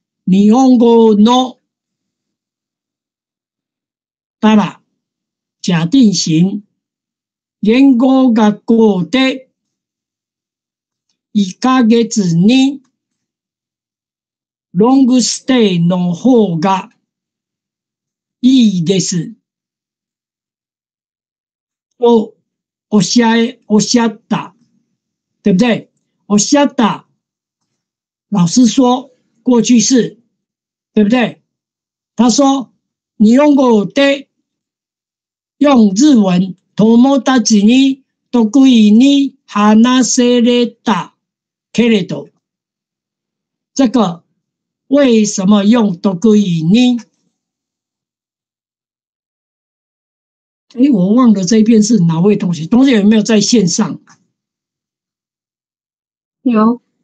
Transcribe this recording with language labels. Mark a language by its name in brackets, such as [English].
[Japanese] 日本語のたら、假定型、言語学校で一ヶ月にロングステイの方がいいですとおっしゃった、 [Chinese] 对不对？おっしゃった，老师说过去式，对不对？他说日本語で用日文 [Japanese] 友達に得意に話せれた。 [Chinese] けれど，这个为什么用得意呢？哎，我忘了这一篇是哪位同学？同学有没有在线上？有。